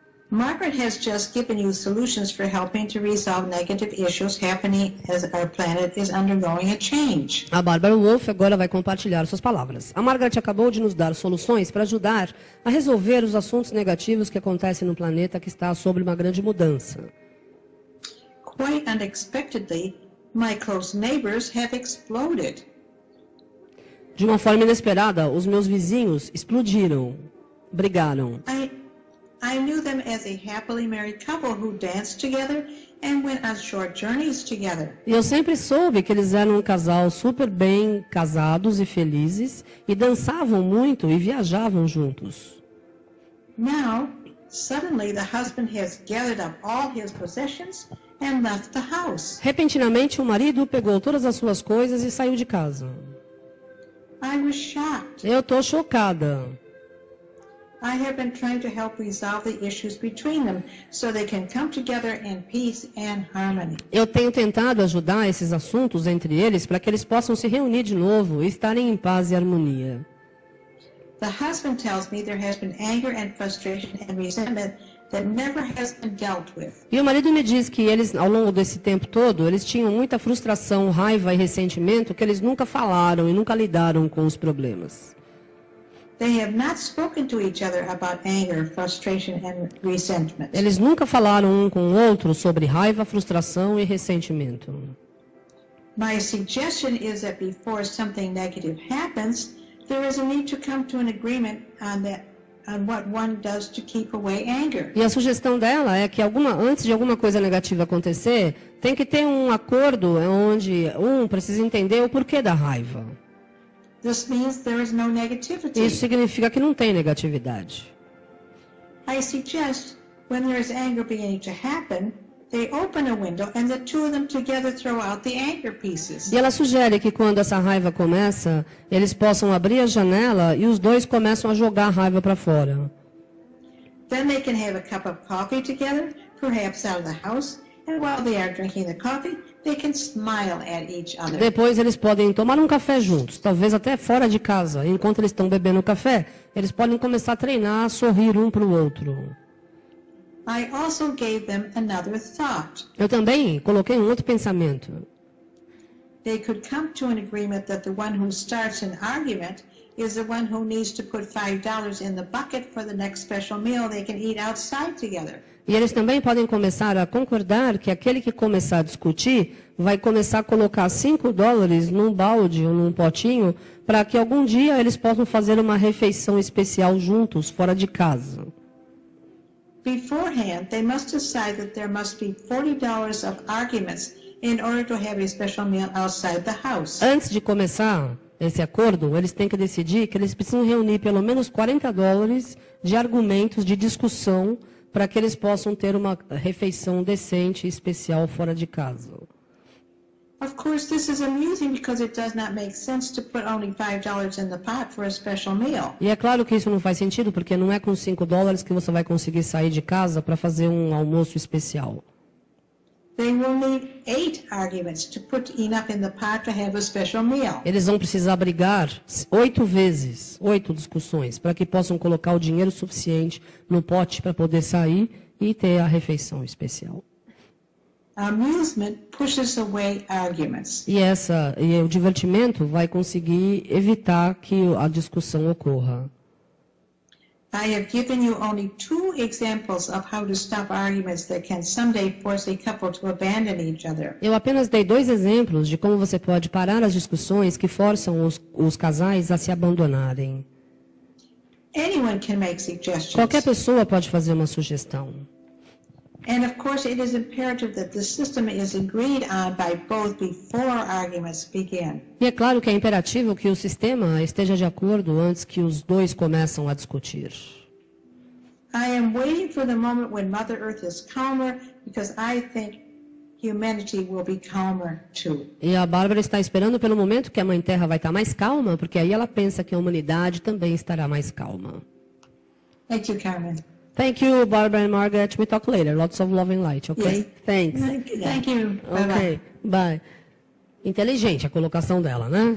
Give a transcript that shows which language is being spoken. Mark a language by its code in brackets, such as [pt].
[en] Margaret has just given you solutions for helping to resolve negative issues happening as our planet is undergoing a change. [pt] A Barbara Wolf agora vai compartilhar suas palavras. A Margaret acabou de nos dar soluções para ajudar a resolver os assuntos negativos que acontecem no planeta que está sob uma grande mudança. [en] Quite unexpectedly, my close neighbors have exploded. [pt] De uma forma inesperada, os meus vizinhos explodiram, brigaram. [en] I knew them as a happily married couple who danced together and went on short journeys together. [pt] E eu sempre soube que eles eram um casal super bem casados e felizes e dançavam muito e viajavam juntos. [en] Now, suddenly the husband has gathered up all his possessions and left the house. [pt] Repentinamente o marido pegou todas as suas coisas e saiu de casa. [en] I was shocked. [pt] Eu tô chocada. [en] I have been trying to help resolve the issues between them so they can come together in peace and harmony. [pt] Eu tenho tentado ajudar esses assuntos entre eles para que eles possam se reunir de novo e estarem em paz e harmonia. [en] The husband tells me there has been anger and frustration and resentment that never has been dealt with. [pt] E o marido me diz que eles, ao longo desse tempo todo, eles tinham muita frustração, raiva e ressentimento que eles nunca falaram e nunca lidaram com os problemas. [en] They have not spoken to each other about anger, frustration and resentment. [pt] Eles nunca falaram um com o outro sobre raiva, frustração e ressentimento. [en] My suggestion is that before something negative happens, there is a need to come to an agreement on that. And what one does to keep away anger. [pt] E a sugestão dela é que antes de alguma coisa negativa acontecer, tem que ter um acordo onde um precisa entender o porquê da raiva. [en] This means there is no negativity. [pt] Isso significa que não tem negatividade. [en] I suggest when there is anger beginning to happen, they open a window and the two of them together throw out the anger pieces. [pt] E ela sugere que quando essa raiva começa, eles possam abrir a janela e os dois começam a jogar a raiva para fora. [en] Then they can have a cup of coffee together, perhaps out of the house, and while they are drinking the coffee, they can smile at each other. [pt] Depois eles podem tomar um café juntos, talvez até fora de casa, enquanto eles estão bebendo o café, eles podem começar a treinar a sorrir um para o outro. [en] I also gave them another thought. [pt] Eu também coloquei um outro pensamento. [en] They could come to an agreement that the one who starts an argument is the one who needs to put $5 in the bucket for the next special meal they can eat outside together. [pt] E eles também podem começar a concordar que aquele que começar a discutir vai começar a colocar $5 num balde ou num potinho para que algum dia eles possam fazer uma refeição especial juntos fora de casa. [en] Beforehand, they must decide that there must be $40 of arguments in order to have a special meal outside the house. [pt] Antes de começar esse acordo, eles têm que decidir que eles precisam reunir pelo menos $40 de argumentos de discussão para que eles possam ter uma refeição decente e especial fora de casa. [en] Of course, this is amusing because it does not make sense to put only $5 in the pot for a special meal. [pt] E é claro que isso não faz sentido porque não é com $5 que você vai conseguir sair de casa para fazer um almoço especial. [en] They will need 8 arguments to put enough in the pot to have a special meal. [pt] Eles vão precisar brigar 8 vezes, 8 discussões, para que possam colocar o dinheiro suficiente no pote para poder sair e ter a refeição especial. [en] Amusement pushes away arguments. [pt] E o divertimento vai conseguir evitar que a discussão ocorra. [en] I have given you only 2 examples of how to stop arguments that can someday force a couple to abandon each other. [pt] Eu apenas dei 2 exemplos de como você pode parar as discussões que forçam os casais a se abandonarem. [en] Anyone can make suggestions. [pt] Qualquer pessoa pode fazer uma sugestão. [en] And of course it is imperative that the system is agreed on by both before arguments begin. [pt] E é claro que é imperativo que o sistema esteja de acordo antes que os dois começam a discutir. [en] I am waiting for the moment when Mother Earth is calmer because I think humanity will be calmer too. [pt] E a Bárbara está esperando pelo momento que a Mãe Terra vai estar mais calma, porque aí ela pensa que a humanidade também estará mais calma. [en] Thank you, Carmen. Thank you, Barbara and Margaret. We talk later. Lots of love and light, okay? Yay. Thanks. Thank you. Bye-bye. Okay. Bye. [pt] Inteligente a colocação dela, né?